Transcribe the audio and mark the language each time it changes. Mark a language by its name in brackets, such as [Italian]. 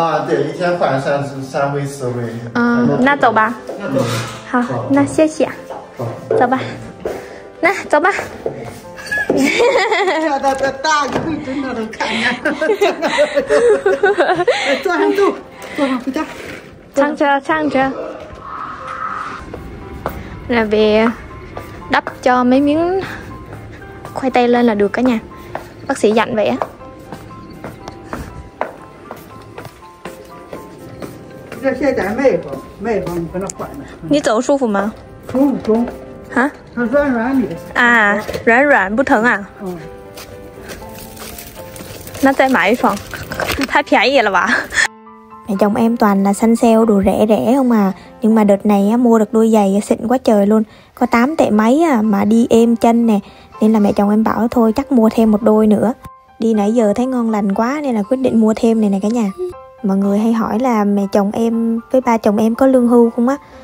[Chinese] 啊，对，一天换3回4回。嗯，那走吧。那走。好，那谢谢。好，走吧。那走吧。哈哈哈哈哈！大大大，你会真的能看见？哈哈哈哈哈！坐上坐，坐上回家，唱着唱着，那边 [Vietnamese] đắp cho mấy miếng khoai tây lên là được cả nhà. Bác sĩ dặn vậy á. Giờ xe đã mệt rồi, mệt rồi, cứ nó khỏe. Đi tàu [Chinese] 舒服吗？舒服舒服。啊，它软软的啊，软软不疼啊。嗯，那再买一双，太便宜了吧。 [Vietnamese] Mẹ chồng em toàn là săn sale đồ rẻ rẻ không à. Nhưng mà đợt này mua được đôi giày xịn quá trời luôn. Có 8 tệ mấy à, mà đi êm chân nè. Nên là mẹ chồng em bảo thôi chắc mua thêm một đôi nữa. Đi nãy giờ thấy ngon lành quá nên là quyết định mua thêm này nè cả nhà. Mọi người hay hỏi là mẹ chồng em với ba chồng em có lương hưu không á.